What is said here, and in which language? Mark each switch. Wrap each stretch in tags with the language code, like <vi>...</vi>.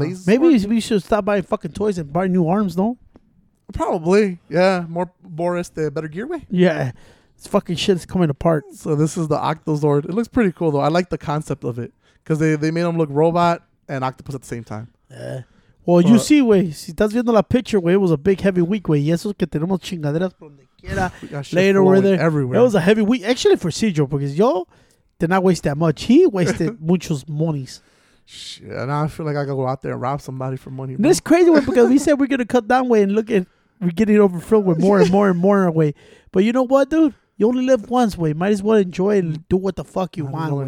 <en>Maybe we should stop by fucking toys and buy new arms, though. Probably. Yeah. Boris, the better gear way. Yeah. This fucking shit is coming apart. So this is the Octazord. It looks pretty cool, though. I like the concept of it because they made him look robot and octopus at the same time. Yeah. Well, you see, güey,</en> <es>si estás viendo la</es> <en>picture, güey, it was a big, heavy week, güey.</en> <es>Y eso es que tenemos chingaderas por donde quiera.</es> <en>Later, we're there. Everywhere. It was a heavy week. Actually, for Cedro, because yo did not waste that much. He wasted</en> <es>muchos</es> <en>monies. Shit, now I feel like I got to go out there and rob somebody for money. This crazy, güey, because we said we're going to cut down, güey, and look at we're getting overfilled with more and more and more, güey. But you know what, dude? You only live once, güey. Might as well enjoy and do what the fuck you want, güey.</en>